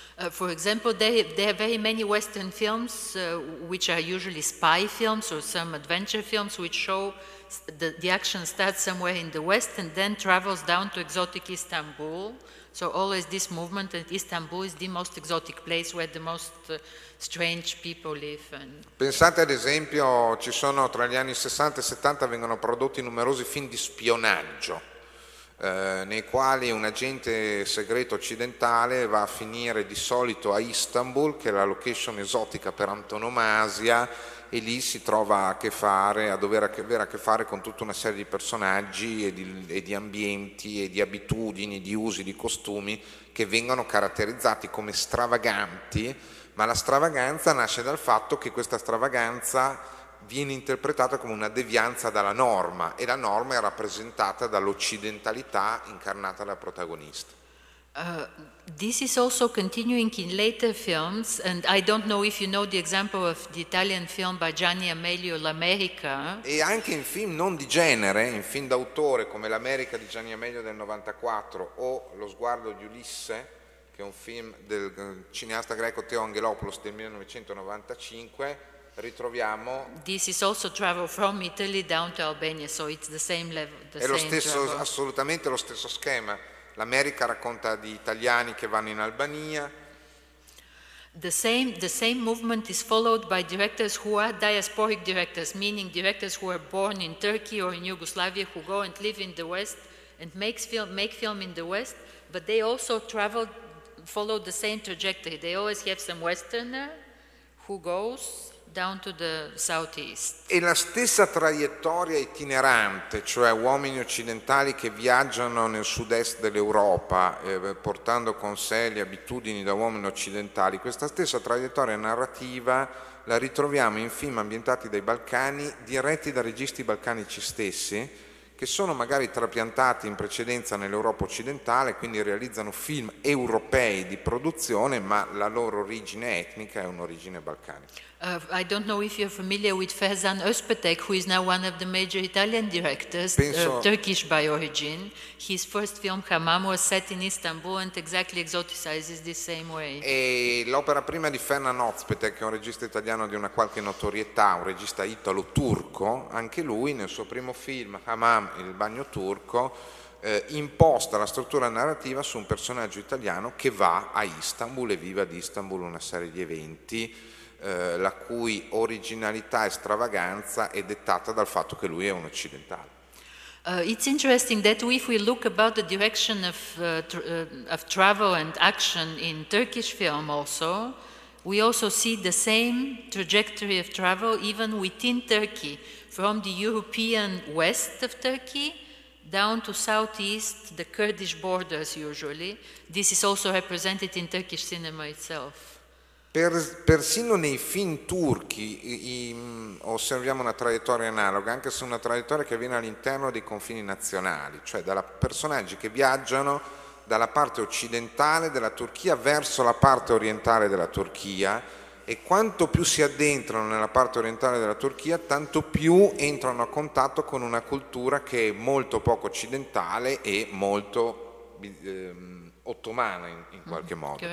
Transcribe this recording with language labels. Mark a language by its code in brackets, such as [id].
[en] For example, there are very many Western films which are usually spy films or some adventure films which show the action starts somewhere in the West and then travels down to exotic Istanbul. So always this movement that Istanbul is the most exotic place where the most strange people live. And [it] pensate ad esempio, ci sono tra gli anni 60 e 70 vengono prodotti numerosi film di spionaggio, nei quali un agente segreto occidentale va a finire di solito a Istanbul, che è la location esotica per antonomasia, e lì si trova a dover avere a che fare con tutta una serie di personaggi e di ambienti e di abitudini, di usi, di costumi che vengono caratterizzati come stravaganti, ma la stravaganza nasce dal fatto che questa stravaganza viene interpretata come una devianza dalla norma, e la norma è rappresentata dall'occidentalità incarnata dal protagonista. [en] This is also continuing in later films, and I don't know if you know the example of the Italian film by Gianni Amelio, L'America. [it] E anche in film non di genere, in film d'autore come L'America di Gianni Amelio del 94 o Lo sguardo di Ulisse, che è un film del cineasta greco Teo Angelopoulos del 1995, ritroviamo. [en] This is also travel from Italy down to Albania, so it's the same level. [it] È lo stesso, assolutamente lo stesso schema. L'America racconta di italiani che vanno in Albania. [en] The same movement is followed by directors who are diasporic directors, meaning directors who are born in Turkey or in Yugoslavia, who go and live in the West and make film in the West, but they also travel, follow the same trajectory. They always have some Westerner who goes down to the southeast. [it] E la stessa traiettoria itinerante, cioè uomini occidentali che viaggiano nel sud-est dell'Europa portando con sé le abitudini da uomini occidentali, questa stessa traiettoria narrativa la ritroviamo in film ambientati dai Balcani, diretti da registi balcanici stessi, che sono magari trapiantati in precedenza nell'Europa occidentale, quindi realizzano film europei di produzione, ma la loro origine etnica è un'origine balcanica. [en] I don't know if you're familiar with Ferzan Özpetek, who is now one of the major Italian directors, Turkish by origin. His first film, Hamam, was set in Istanbul and exactly exoticizes the same way. [it] E l'opera prima di Ferzan Özpetek, che è un regista italiano di una qualche notorietà, un regista italo-turco, anche lui nel suo primo film, Hamam, il bagno turco, imposta la struttura narrativa su un personaggio italiano che va a Istanbul e vive ad Istanbul una serie di eventi, la cui originalità e stravaganza è dettata dal fatto che lui è un occidentale. [en] It's interesting that if we look about the direction of travel and action in Turkish film also, we also see the same trajectory of travel even within Turkey, from the European west of Turkey down to southeast, the Kurdish borders usually. This is also represented in Turkish cinema itself. [it] Persino nei film turchi osserviamo una traiettoria analoga, anche se una traiettoria che avviene all'interno dei confini nazionali, cioè da personaggi che viaggiano dalla parte occidentale della Turchia verso la parte orientale della Turchia, e quanto più si addentrano nella parte orientale della Turchia, tanto più entrano a contatto con una cultura che è molto poco occidentale e molto ottomana in qualche modo.